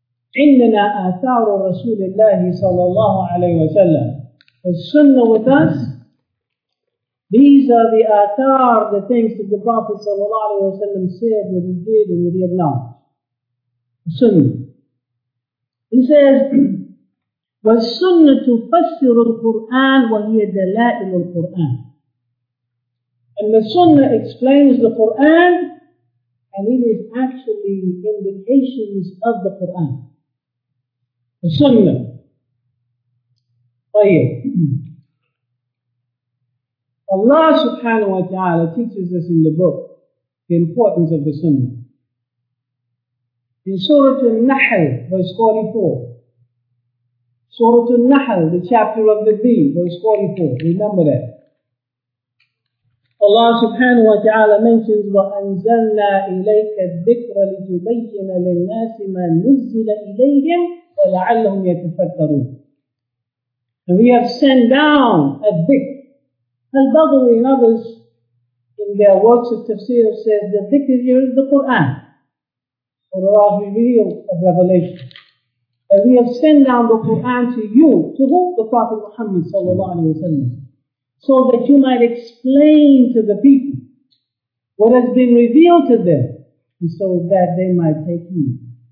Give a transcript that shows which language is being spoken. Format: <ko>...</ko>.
<ar>عندنا آثار رسول الله صلى الله عليه وسلم.</ar> <en>The sunnah with us, these are the آثار, the things that the Prophet صلى الله عليه وسلم said, what he did and what he acknowledged. The sunnah. He says,</en> <ar>والسنه تفسر القران وهي دلائل القران.</ar> <en>And the sunnah explains the Quran, and it is actually indications of the Quran. The sunnah. Allah subhanahu wa ta'ala teaches us in the book the importance of the sunnah. In Surah An-Nahl, verse 44. Surah An-Nahl, the chapter of the bee, verse 44. Remember that. Allah subhanahu wa ta'ala mentions,</en> <ar>وَأَنزَلْنَا إِلَيْكَ الذِّكْرَ لِتُبَيِّنَ لِلنَّاسِ مَا نُزِّلَ إِلَيْهِمْ وَلَعَلَّهُمْ يَتَفَكَّرُونَ.</ar> <en>And we have sent down a dhikr. Al-Baghawi and others, in their works of tafsir, says the dhikr here is the Qur'an. For Allah revealed a revelation. And we have sent down the Quran to you, to whom? The Prophet Muhammad sallallahu alayhi wa sallam, so that you might explain to the people what has been revealed to them, and so that they might take heed.</en>